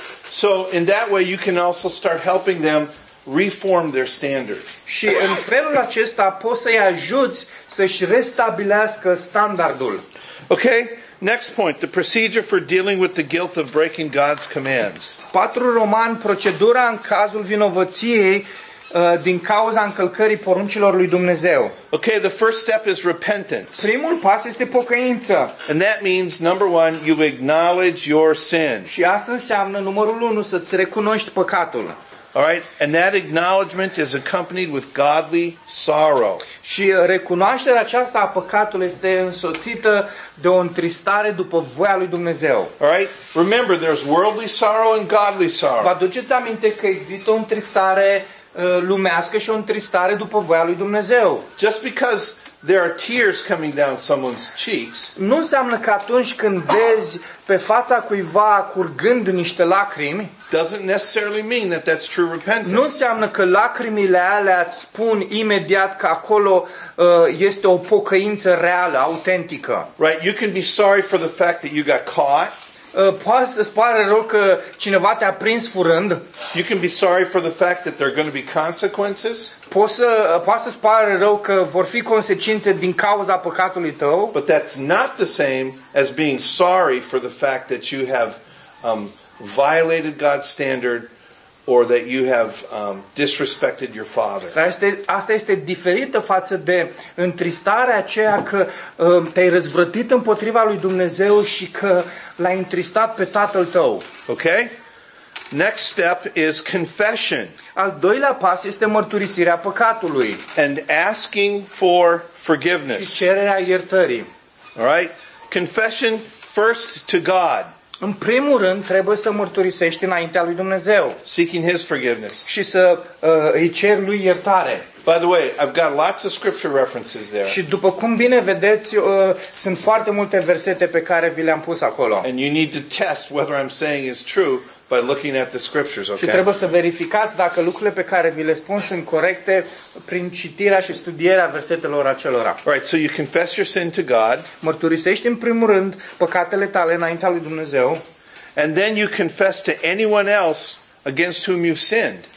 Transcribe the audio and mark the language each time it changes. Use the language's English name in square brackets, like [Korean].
[English] So in that way you can also start helping them reform their standard. [Romanian] Și în felul acesta poți să-i ajuți să-și restabilească standardul. [English] Okay? Next point, the procedure for dealing with the guilt of breaking God's commands. [Romanian] 4 Roman, procedura în cazul vinovăției din cauza încălcării poruncilor lui Dumnezeu. [English] Okay, the first step is repentance. [Romanian] Primul pas este pocăință. [English] And that means number one, you acknowledge your sin. [Romanian] Și asta înseamnă numărul 1, să ți recunoști păcatul. [English] All right, and that acknowledgement is accompanied with godly sorrow. [Romanian] Și recunoașterea aceasta a păcatului este însoțită de o întristare după voia lui Dumnezeu. [English] All right, remember there's worldly sorrow and godly sorrow. [Romanian] Vă aduceți aminte că există o întristare lumească și o întristare după voia lui Dumnezeu. [English] Just because there are tears coming down someone's cheeks, [Romanian] nu înseamnă că atunci când vezi pe fața cuiva curgând niște lacrimi, [English] doesn't necessarily mean that that's true repentance. [Romanian] Nu înseamnă că lacrimile alea îți spun imediat că acolo este o pocăință reală, autentică. [English] Right, you can be sorry for the fact that you got caught. [Romanian] Poate să-ți pare rău că cineva te-a prins furând. [English] You can be sorry for the fact that there are going to be consequences. [Romanian] Poate să-ți pare rău că vor fi consecințe din cauza păcatului tău. [English] But that's not the same as being sorry for the fact that you have violated God's standard or that you have disrespected your father. [Romanian] Asta este diferită față de întristarea aceea că te-ai răzvrătit împotriva lui Dumnezeu și că l-ai întristat pe tatăl tău. [English] Okay? Next step is confession. [Romanian] Al doilea pas este mărturisirea păcatului. [English] And asking for forgiveness. [Romanian] Și cererea iertării. [English] All right? Confession first to God. [Romanian] În primul rând, trebuie să mărturisești înaintea lui Dumnezeu. [English] Seeking his forgiveness. [Romanian] Și să îi ceri lui iertare. [English] By the way, I've got lots of scripture references there. [Romanian] Și după cum bine vedeți, sunt foarte multe versete pe care vi le-am pus acolo. [English] And you need to test whether I'm saying is true by looking at the scriptures, okay? [Romanian] Și trebuie să verificați dacă lucrurile pe care vi le spun sunt corecte prin citirea și studierea versetelor acelora. [English] All right, so you confess your sin to God. [Romanian] Mărturisești în primul rând păcatele tale înaintea lui Dumnezeu. [English] And then you confess to anyone else against whom you've sinned.